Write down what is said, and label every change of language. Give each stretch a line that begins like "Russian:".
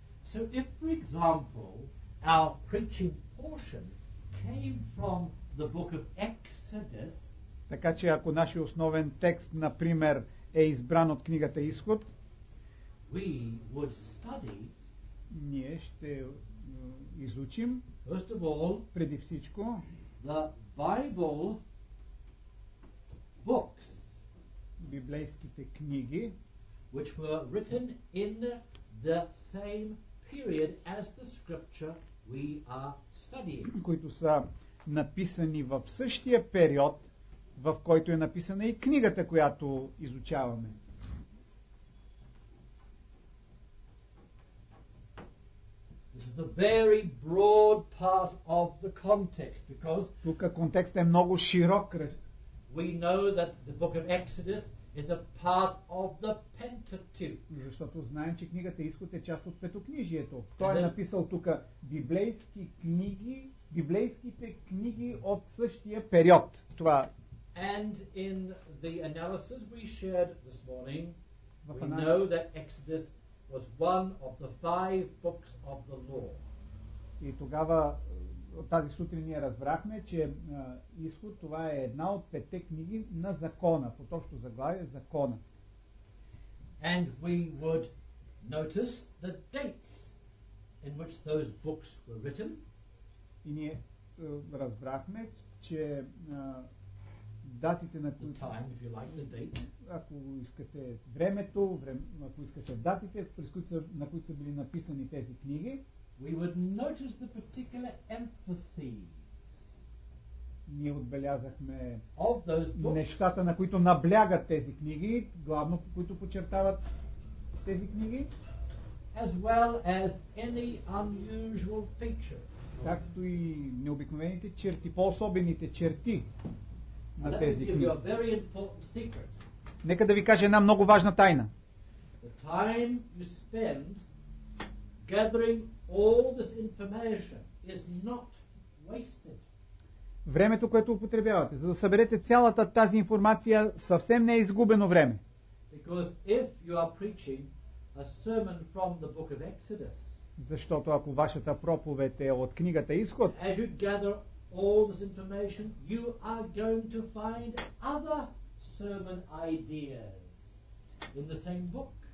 English: So if, for example, our preaching portion came from the book of Exodus,
Bulgarian: така че ако нашия основен текст, например, е избран от книгата Изход,
English: we would study,
Bulgarian: ние ще изучим,
English: first of all,
Bulgarian: преди всичко,
English: the Bible books,
Bulgarian: библейските книги,
English: which were written in the same period as the scripture we are studying.
Bulgarian: Които са написани в същия период, в който е написана и книгата, която изучаваме.
English: This is the very broad part of the context, because
Bulgarian: тук контекст е много широк.
English: We know that the book of Exodus is a part of the Pentateuch.
Bulgarian: Защото знаем, че книгата Изход е част от Петокнижието. Той е написал тук библейски книги, библейските книги от същия период. Това.
English: And in the analysis we shared this morning, we know that Exodus was one of the five books of the law.
Bulgarian: И тогава тази сутрин ние разбрахме, че Изход това е една от петте книги на закона, по точно заглавие закона.
English: And we would notice the dates in which those books were written.
Bulgarian: И ние разбрахме, че датите на
English: the time, if you like, the date.
Bulgarian: Ако искате времето, ако искате датите, през които на които са били написани тези книги.
English: We would notice the particular emphases.
Bulgarian: Ние отбелязахме
English: of those books,
Bulgarian: нещата, на които наблягат тези книги, главно които подчертават тези книги,
English: as well as any unusual feature.
Bulgarian: Както и необикновените черти, по-особените черти на тези книги.
English: Let me give you a very important secret.
Bulgarian: Нека да ви кажа една много важна тайна.
English: the time you spend gathering all this information is not wasted.
Bulgarian: Времето, което употребявате, за да съберете цялата тази информация, съвсем не е изгубено време.
English: Because if you are preaching a sermon from the book of Exodus,
Bulgarian: защото ако вашата проповед е от книгата Изход,
English: as you gather all this information, you are going to find other sermon ideas in the same book.